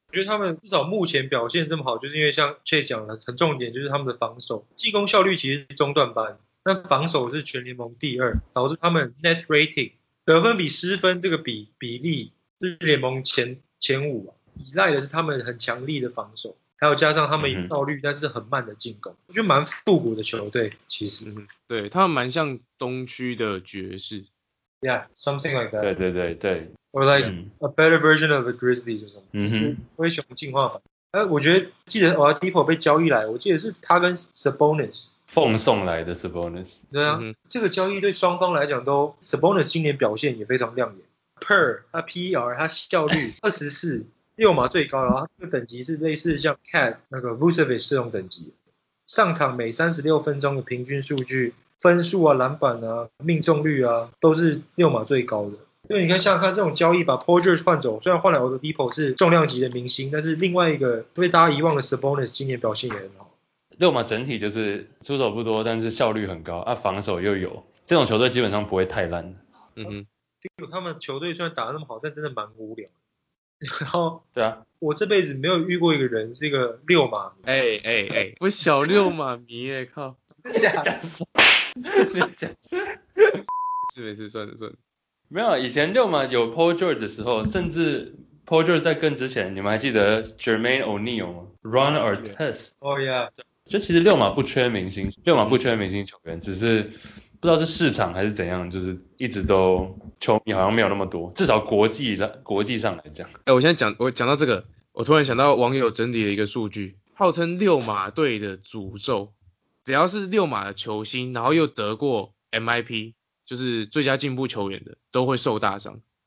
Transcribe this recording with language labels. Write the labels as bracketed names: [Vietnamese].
[Chinese] 我觉得他们至少目前表现这么好，就是因为像 Chase 讲的，很重点就是他们的防守，进攻效率其实是中段班，但防守是全联盟第二，导致他们 Net Rating。得分比失分这个比例是联盟前五、啊、依赖的是他们很强力的防守，还有加上他们有效率但是很慢的进攻，我觉得蛮复古的球队其实。对，他们蛮像东区的爵士。 [English] Yeah, something like that. [Chinese] 对对对对。 [English] Or like a better version of the Grizzlies [Chinese] 就是什么，灰熊进化版。我觉得记得 Oladipo 被交易来，我记得是他跟 Sabonis。奉送来的 Sabonis。对啊，这个交易对双方来讲都 Sabonis 今年表现也非常亮眼， PER 他 PER 他效率24 六码最高，然后他这个等级是类似像 CAT 那个 Vucevic 这种等级，上场每36分钟的平均数据，分数啊篮板啊命中率啊都是六码最高的。因为你看像他这种交易把 Paul George 换走，虽然换来 Oladipo 是重量级的明星，但是另外一个被大家遗忘的 Sabonis 今年表现也很好。六马整体就是出手不多，但是效率很高啊，防守又有，这种球队基本上不会太烂。嗯哼，他们球队虽然打得那么好，但真的蛮无聊。然后，对啊，我这辈子没有遇过一个人是一个六马迷。哎，我小六马迷耶，靠！假的，是没事，算了。没有，以前六马有 Paul George 的时候，甚至。 Paul George 在更之前，你们还记得 Jermaine O'Neal 吗 ？Ron Artest。哦呀，就其实六马不缺明星，六马不缺明星球员，只是不知道是市场还是怎样，就是一直都球迷好像没有那么多，至少国际上来讲。哎、欸，我讲到这个，我突然想到网友整理了一个数据，号称六马队的诅咒，只要是六马的球星，然后又得过 MIP， 就是最佳进步球员的，都会受大伤。